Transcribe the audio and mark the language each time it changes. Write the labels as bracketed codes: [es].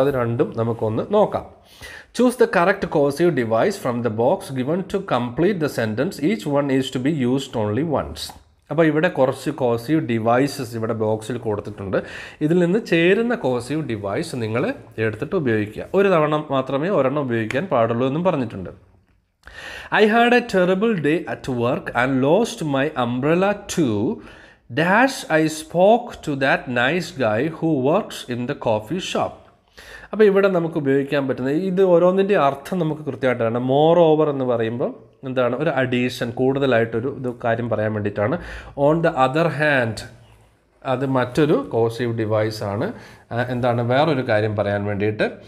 [ml] അത് രണ്ടും നമുക്കൊന്ന് നോക്കാം. [en] Choose the correct cohesive device from the box given to complete the sentence each one is to be used only once. [ml] അപ്പോൾ ഇവിടെ കുറച്ച് കോഹസീവ് ഡിവൈസസ് ഇവിടെ ബോക്സിൽ കൊടുത്തിട്ടുണ്ട്. ഇതിൽ നിന്ന് ചേരുന്ന കോഹസീവ് ഡിവൈസ് നിങ്ങൾ എടുത്തിട്ട് ഉപയോഗിക്കുക. ഒരു തവണ മാത്രമേ ഒരെണ്ണം ഉപയോഗിക്കാൻ പാടുള്ളൂ എന്നും പറഞ്ഞിട്ടുണ്ട്. [en] I had a terrible day at work and lost my umbrella too. Dash, I spoke to that nice guy who works in the coffee shop. [ml] അപ്പോൾ ഇവിടെ നമുക്ക് ഉപയോഗിക്കാൻ പറ്റുന്ന ഇത് ഓരോന്നിൻ്റെ അർത്ഥം നമുക്ക് കൃത്യമായിട്ടാണ്. മോർ ഓവർ എന്ന് പറയുമ്പോൾ എന്താണ്, ഒരു അഡീഷൻ, കൂടുതലായിട്ടൊരു ഇത് കാര്യം പറയാൻ വേണ്ടിയിട്ടാണ്. ഓൺ ദ അതർ ഹാൻഡ്, അത് മറ്റൊരു കോസീവ് ഡിവൈസാണ്, എന്താണ് വേറൊരു കാര്യം പറയാൻ വേണ്ടിയിട്ട്.